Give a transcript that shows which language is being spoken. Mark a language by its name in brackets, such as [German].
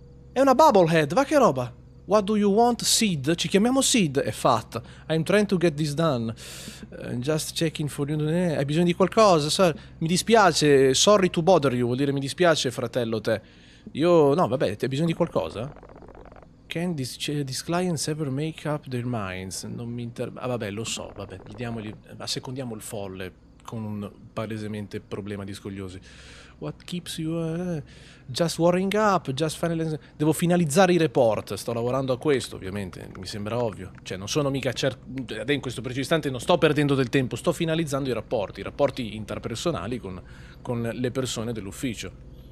[Italian] È una bubblehead, va che roba! [English] What do you want, Sid? [Italian] Ci chiamiamo Sid? È fatta. [English] I'm trying to get this done. I'm just checking for you. [Italian] Hai bisogno di qualcosa? [English] Sir. [Italian] Mi dispiace, [English] sorry to bother you, [Italian] vuol dire mi dispiace, fratello, te. Io, no, vabbè, ti hai bisogno di qualcosa? [English] Can these clients ever make up their minds? [Italian] Non mi interessa. Ah, vabbè, lo so, vabbè, diamogli, assecondiamo il folle con un palesemente problema di scogliosi. [English] What keeps you... just warming up, just finalizing... [Italian] Devo finalizzare i report, sto lavorando a questo, ovviamente, mi sembra ovvio. Cioè, non sono mica certo... in questo preciso istante non sto perdendo del tempo, sto finalizzando i rapporti interpersonali con le persone dell'ufficio.